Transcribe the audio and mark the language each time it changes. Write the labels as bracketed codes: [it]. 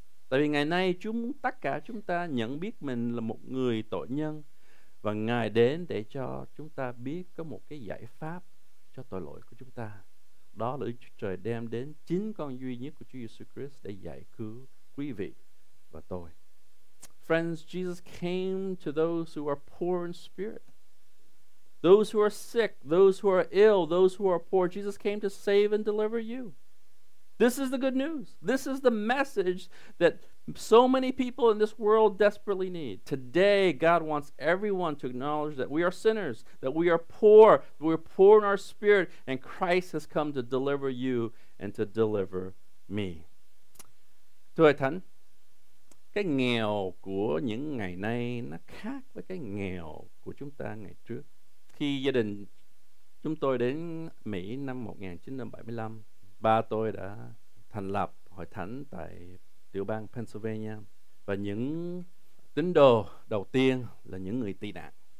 [vi] Tại vì ngày nay Chúa muốn tất cả chúng ta nhận biết mình là một người tội nhân, và Ngài đến để cho chúng ta biết có một cái giải pháp cho tội lỗi của chúng ta. Đó là Chúa Trời đem đến chính con duy nhất của Chúa Jesus Christ để giải cứu quý vị và tôi. [en] Friends, Jesus came to those who are poor in spirit. Those who are sick, those who are ill, those who are poor. Jesus came to save and deliver you. This is the good news. This is the message that so many people in this world desperately need. Today, God wants everyone to acknowledge that we are sinners, that we are poor, that we're poor in our spirit, and Christ has come to deliver you and to deliver me. [vi] Thưa Thánh, cái nghèo của những ngày nay nó khác với cái nghèo của chúng ta ngày trước. Khi gia đình chúng tôi đến Mỹ năm 1975, ba tôi đã thành lập hội thánh tại tiểu bang Pennsylvania, và những tín đồ đầu tiên là những người tị nạn.